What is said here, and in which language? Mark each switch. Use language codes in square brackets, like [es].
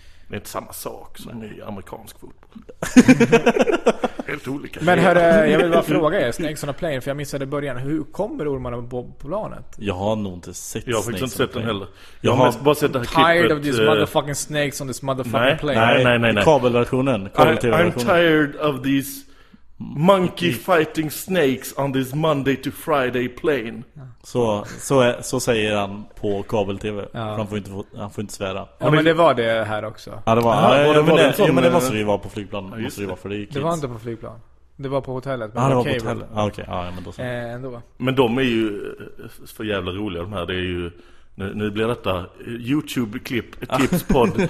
[sv] Det är inte samma sak som en ny amerikansk fotboll. Helt olika. Men hörru, jag vill bara fråga er. Snakes on a Plane, för jag missade början. Hur kommer ormarna på planet? Jag har nog inte sett Snakes. Jag har faktiskt inte sett den heller. Jag har bara sett det här klippet. [en] Tired of these motherfucking snakes on this motherfucking plane. [sv] Nej. Kabelversionen. [en] I'm tired of these monkey fighting snakes on this Monday to Friday plane. [sv] Så säger han på kabel-tv. Ja. Han får inte svära. Ja, men det var det här också. Ja, det var. Ja, men det måste vi vara på flygplan. Ja, det. Det var inte på flygplan. Det var på hotellet. Men det var på hotellet. Ah, okay. Ja, men då så. Ändå. Men de är ju för jävla roliga de här. Det är ju nu blir detta YouTube-klipp, tips-podd.